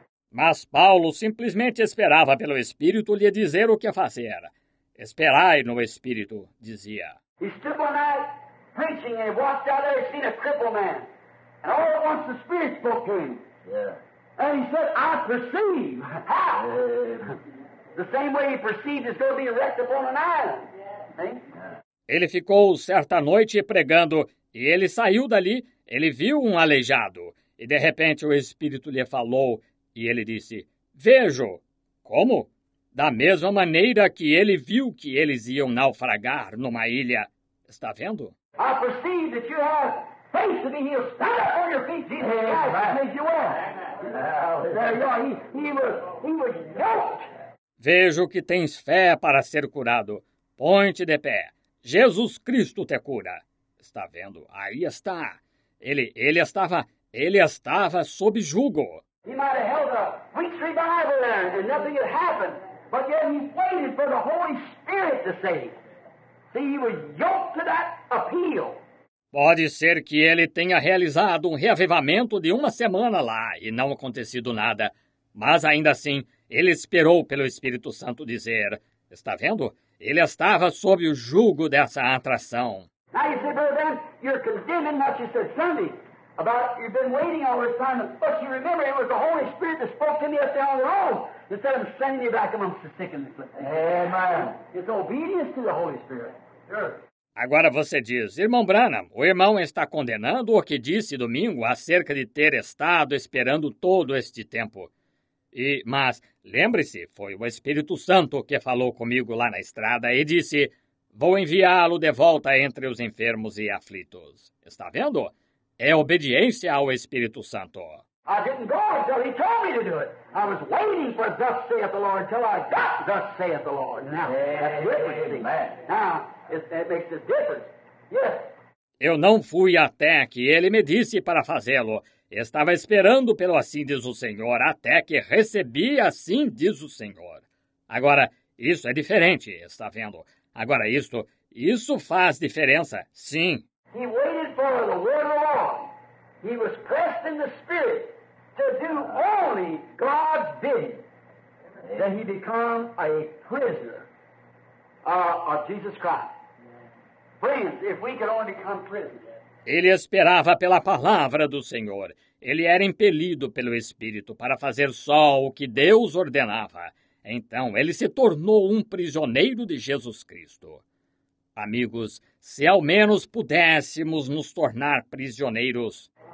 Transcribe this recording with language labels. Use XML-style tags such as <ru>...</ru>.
<pt>Mas Paulo simplesmente esperava pelo Espírito lhe dizer o que fazer. Esperai no Espírito, dizia.</pt> <en>He stood one night preaching and walked out there and seen a crippled man. And all at once the Spirit spoke to him. Yeah. And he said, I perceive. How? The same way he perceived as though being wrecked upon an island.</en> <pt>Ele ficou certa noite pregando e ele saiu dali, ele viu um aleijado. E de repente o Espírito lhe falou, e ele disse, vejo. Como? Da mesma maneira que ele viu que eles iam naufragar numa ilha. Está vendo?</pt> <en>I perceive that you have faith to be healed. Stand up on your feet, Jesus Christ, and make you well. There you are. He was helped.</en> <pt>Vejo que tens fé para ser curado. Põe-te de pé. Jesus Cristo te cura. Está vendo? Aí está. Ele estava sob jugo.</pt> <en>He might have held a week's revival there and nothing had happened. But yet he waited for the Holy Spirit to say. See, he was yoked to that appeal.</en> <pt>Pode ser que ele tenha realizado um reavivamento de uma semana lá e não acontecido nada. Mas ainda assim, ele esperou pelo Espírito Santo dizer. Está vendo? Ele estava sob o jugo dessa atração.</pt> <en>Now you say, well then, you're condemning what you said Sunday. About you've been waiting all this time, but you remember it was the Holy Spirit that spoke to me up there on the road instead of sending you back amongst the sick and the sick. Amen. It's obedience to the Holy Spirit. Sure.</en> <pt>Agora você diz, irmão Branham, o irmão está condenando o que disse domingo acerca de ter estado esperando todo este tempo. Mas lembre-se, foi o Espírito Santo que falou comigo lá na estrada e disse, vou enviá-lo de volta entre os enfermos e aflitos. Está vendo? É obediência ao Espírito Santo.</pt> <en>I didn't go until he told me to do it. I was waiting for thus saith the Lord until I got thus saith the Lord. Now, that's different, see. Now, it makes a difference. Yes.</en> <pt>Eu não fui até que ele me disse para fazê-lo. Estava esperando pelo assim diz o Senhor, até que recebi assim diz o Senhor. Agora, isso é diferente, está vendo? Agora, Isso faz diferença, sim.</pt> <en>He waited for the word of God. He was pressed in the spirit to do only God's bidding. Then he became a prisoner of Jesus Christ. Friends, if we could only become prisoners.</en> <pt>Ele esperava pela palavra do Senhor. Ele era impelido pelo Espírito para fazer só o que Deus ordenava. Então, ele se tornou um prisioneiro de Jesus Cristo. Amigos, se ao menos pudéssemos nos tornar prisioneiros...</pt>